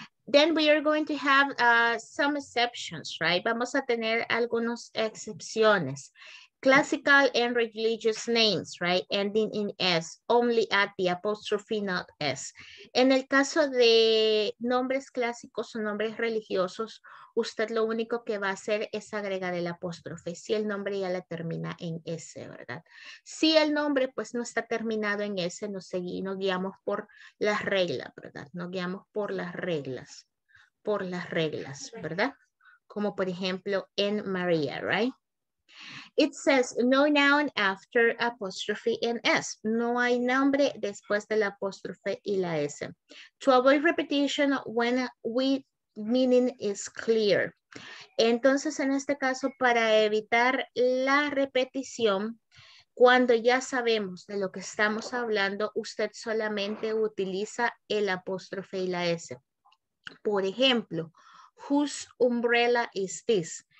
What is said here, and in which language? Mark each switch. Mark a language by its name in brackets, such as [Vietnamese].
[English] Then we are going to have some exceptions, right? [Spanish] Vamos a tener algunas excepciones. Classical and religious names, right? [English] Ending in S, only at the apostrophe, not S. [Spanish] En el caso de nombres clásicos o nombres religiosos, usted lo único que va a hacer es agregar el apóstrofe, si el nombre ya la termina en S, ¿verdad? Si el nombre pues no está terminado en S, nos guiamos por las reglas, ¿verdad? Nos guiamos por las reglas, ¿verdad? Como por ejemplo en María, right? [English] It says no noun after apostrophe and S. [Spanish] No hay nombre después de la apóstrofe y la S. [English] To avoid repetition when we meaning is clear. [Spanish] Entonces, en este caso, para evitar la repetición, cuando ya sabemos de lo que estamos hablando, usted solamente utiliza el apóstrofe y la S. Por ejemplo, [English] whose umbrella is this?